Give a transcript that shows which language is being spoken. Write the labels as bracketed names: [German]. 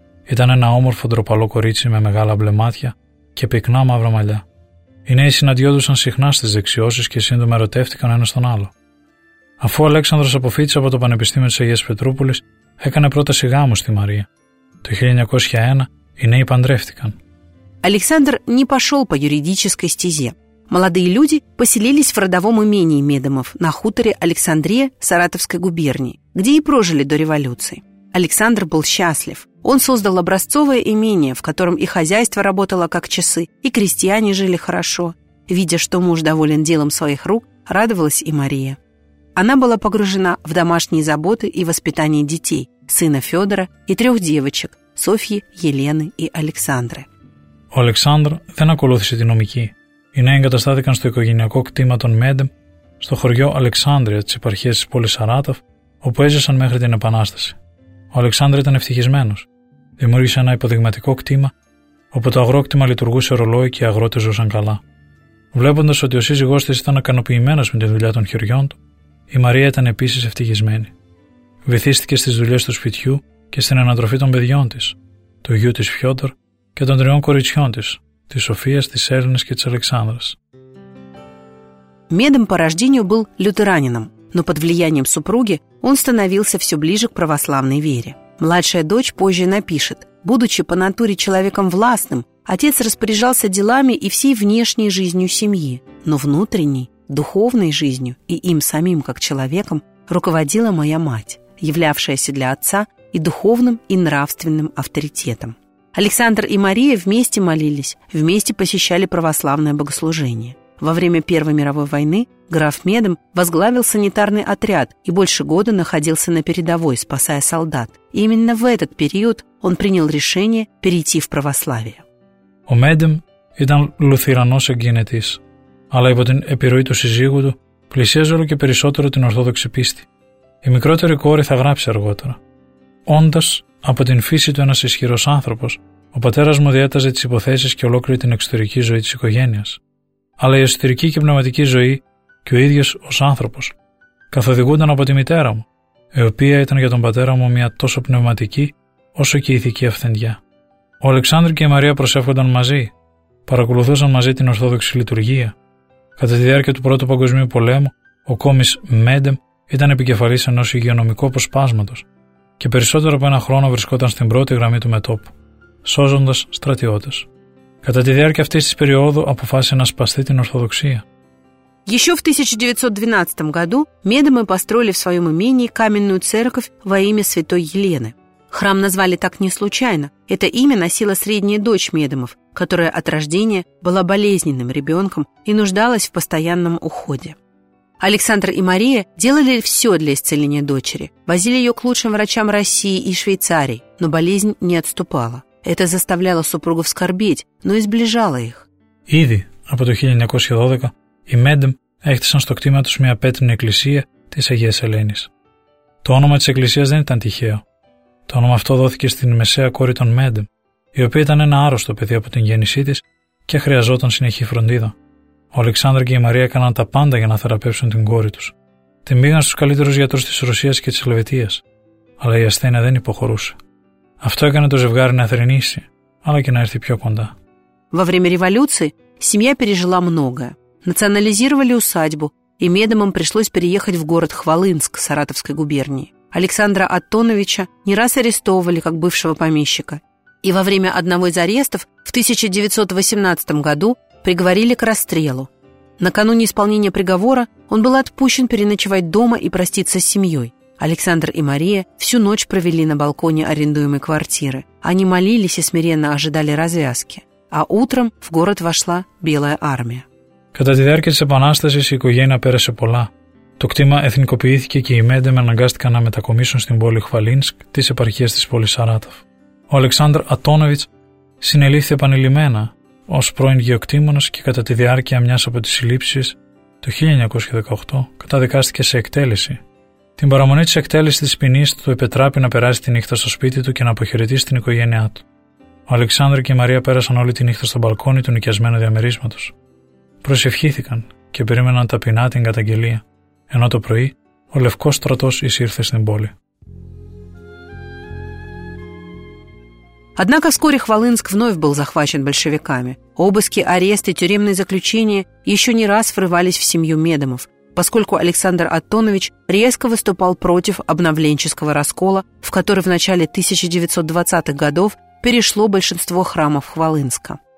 [Greek] Ήταν ένα όμορφο ντροπαλό κορίτσι με μεγάλα μπλε μάτια και πυκνά μαύρα μαλλιά. Οι νέοι συναντιόντουσαν συχνά στις δεξιώσεις και σύντομα ερωτεύτηκαν ένας τον άλλο. Αφού ο Αλέξανδρος αποφύτησε από το Πανεπιστήμιο της Αγίας Πετρούπολης, έκανε πρόταση γάμου στη Μαρία. Το 1901 οι νέοι παντρεύτηκαν. [Russian] Александр не пошел по юридической стезе. Молодые люди поселились в родовом имении Медемов на хуторе Александрия Саратовской губернии, где и прожили до революции. Александр был счастлив. Он создал образцовое имение, в котором и хозяйство работало как часы, и крестьяне жили хорошо. Видя, что муж доволен делом своих рук, радовалась и Мария. Она была погружена в домашние заботы и воспитание детей, сына Федора и трех девочек, Софьи, Елены и Александры. [Greek] Ο Αλεξάνδρ δεν ακολούθησε τη νομική. Οι νέοι εγκαταστάθηκαν στο οικογενειακό κτήμα των Μέντεμ, στο χωριό Αλεξάνδρεια της επαρχίας της πόλης Σαράτοφ, όπου έζησαν μέχρι την Επανάσταση. Ο Αλεξάνδρ ήταν ευτυχισμένος. Δημιούργησε ένα υποδειγματικό κτήμα, όπου το αγρόκτημα λειτουργούσε ρολόι και οι αγρότες ζούσαν καλά. Βλέποντας ότι ο σύζυγός της ήταν ικανοποιημένος με τη δουλειά των χεριών του, η Μαρία ήταν επίσης ευτυχισμένη. Βυθίστηκε στις δουλειές του σπιτιού και στην ανατροφή των παιδιών της, του γιου της Φιόντορ και των τριών κοριτσιών της, της Σοφίας, της Έλληνας και της Αλεξάνδρας. [Russian] Медем по рождению был лютеранином, но под влиянием супруги он становился все ближе к православной вере. Младшая дочь позже напишет: «Будучи по натуре человеком властным, отец распоряжался делами и всей внешней жизнью семьи, но внутренней, духовной жизнью и им самим как человеком руководила моя мать, являвшаяся для отца и духовным, и нравственным авторитетом». Александр и Мария вместе молились, вместе посещали православное богослужение. Во время Первой мировой войны граф Медем возглавил санитарный отряд и больше года находился на передовой, спасая солдат. И именно в этот период он принял решение перейти в православие. [Greek] Ο Медем ήταν λουθυρανός εγγενετής, αλλά υπό την επιρροή του συζύγου του πλησίαζε όλο και περισσότερο την ορθόδοξη πίστη. Η μικρότερη κόρη θα γράψει αργότερα. Όντας από την φύση του ένας ισχυρός άνθρωπος, ο πατέρας μου διέταζε τις υποθέσεις και ολόκληρη την εξωτερική ζωή της οικογένειας. Αλλά η εσωτερική και πνευματική ζωή και ο ίδιος ως άνθρωπος καθοδηγούνταν από τη μητέρα μου, η οποία ήταν για τον πατέρα μου μια τόσο πνευματική όσο και ηθική αυθεντιά. Ο Αλεξάνδρου και η Μαρία προσεύχονταν μαζί, παρακολουθούσαν μαζί την Ορθόδοξη Λειτουργία. Κατά τη διάρκεια του Πρώτου Παγκοσμίου Πολέμου, ο Κόμις Μέντεμ ήταν επικεφαλής ενός υγειονομικού αποσπάσματος και περισσότερο από ένα χρόνο βρισκόταν στην πρώτη γραμμή του μετόπου, σώζοντας στρατιώτες. Κατά τη διάρκεια αυτής της περίοδου αποφάσισε να σπαστεί την Ορθοδοξία. [Russian] Еще в 1912 году Медемы построили в своем имении каменную церковь во имя святой Елены. Храм назвали так не случайно. Это имя носила средняя дочь Медемов, которая от рождения была болезненным ребенком и нуждалась в постоянном уходе. Александр и Мария делали все для исцеления дочери. Возили ее к лучшим врачам России и Швейцарии, но болезнь не отступала. Это заставляло супругов скорбеть, но и сближало их. [Greek] Ήδη από το 1912 οι Μέντεμ έχτισαν στο κτήμα τους μια πέτρινη εκκλησία της Αγίας Ελένης. Το όνομα της εκκλησίας δεν ήταν τυχαίο. Το όνομα αυτό δόθηκε στην μεσαία κόρη των Μέντεμ, η οποία ήταν ένα άρρωστο παιδί από την γέννησή της και χρειαζόταν συνεχή φροντίδα. Ο Αλεξάνδρ και η Μαρία έκαναν τα πάντα για να θεραπεύσουν την κόρη τους. Την πήγαν στους καλύτερους γιατρούς της Ρωσίας και της Ελβετίας, αλλά η ασθένεια δεν υποχωρούσε. Αυτό έκανε το ζευγάρι να θρηνήσει, αλλά και να έρθει πιο κοντά. [Russian] Во время революции семья пережила многое. Национализировали усадьбу, и Медемам пришлось переехать в город Хвалынск Саратовской губернии. Александра Антоновича не раз арестовывали как бывшего помещика. И во время одного из арестов в 1918 году приговорили к расстрелу. Накануне исполнения приговора он был отпущен переночевать дома и проститься с семьей. Александр и Мария всю ночь провели на балконе арендуемой квартиры. Они молились и смиренно ожидали развязки. А утром в город вошла Белая армия. [Greek] Κατά τη διάρκεια της Επανάστασης η οικογένεια πέρασε πολλά. Το κτήμα εθνικοποιήθηκε και οι Μέντεμερ αναγκάστηκαν να μετακομίσουν στην πόλη Χβαλίνσκ της επαρχίας της πόλης Σαράτοφ. Ο Αλεξάνδρ Αττόνοβιτς συνελήφθη επανειλημμένα ως πρώην γεωκτήμονας και κατά τη διάρκεια μιας από τις συλλήψεις το 1918 καταδικάστηκε σε εκτέλεση. Την παραμονή της εκτέλεσης της ποινής του επετράπει να περάσει τη νύχτα στο σπίτι του και να αποχαιρετήσει την οικογένειά του. Ο Αλεξάνδρ και η Μαρία πέρασαν όλη τη νύχτα στο μπαλκόνι του νοικιασμένου διαμερίσματος. Προσευχήθηκαν και περίμεναν ταπεινά την καταγγελία, ενώ το πρωί ο Λευκός στρατός εισήρθε στην πόλη. [Russian] Однако вскоре Хвалынск вновь был захвачен большевиками. Обыски, аресты, тюремные заключения еще не раз врывались в семью Медомов, поскольку Александр Антонович резко выступал против обновленческого раскола, в который в начале 1920-х годов перешло большинство храмов Хвалынска.